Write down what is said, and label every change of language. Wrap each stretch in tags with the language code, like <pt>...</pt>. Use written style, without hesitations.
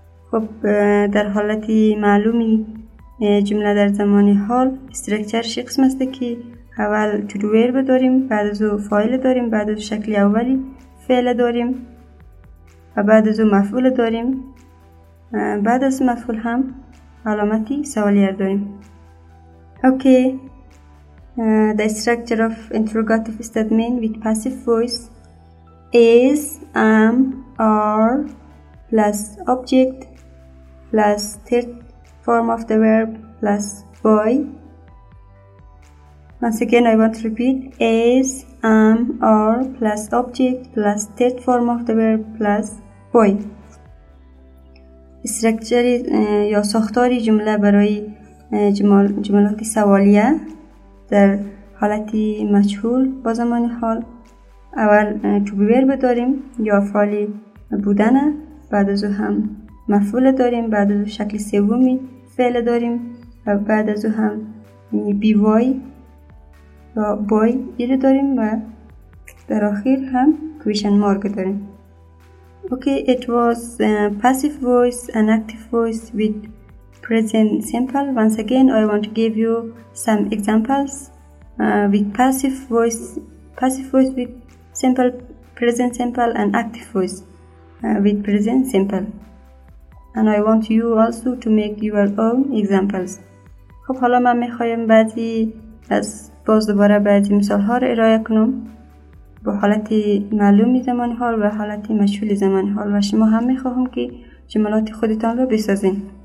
<fa>خب در حالتی معلومی جمله در زمان حال استرکچرش قسم است که اول to do verb داریم، بعد از او فاعل داریم، بعد از شکل اولی فعل داریم و بعد از او مفعول داریم، بعد از مفعول هم علامتی سوالیه داریم.</fa> <en>Okay, the structure of interrogative statement with passive voice is am, are plus object plus third form of the verb plus boy. Once again, I want to repeat. Is, am, are plus object plus third form of the verb plus boy.</en> <fa>استرکچری یا ساختاری جمله برای جملات سوالیه در حالتی مجهول با زمان حال اول to be verb داریم یا فعلی بودنه، بعد از او هم مفعول داریم، بعد از او شکل سومی فعل داریم و بعد از او هم بی وای یا بای ایره داریم و در آخر هم question mark داریم.</fa> <en>Okay, it was passive voice and active voice with present simple. Once again, I want to give you some examples with passive voice with simple present simple and active voice with present simple. And I want you also to make your own examples.</en> <fa>خب حالا من میخوایم بعضی از باز دوباره بعضی مثال ها را ارائه کنم با حالتی معلومی زمان حال و حالتی مجهول زمان حال و شما هم میخواهم که جملات خودتان را بسازین.</fa>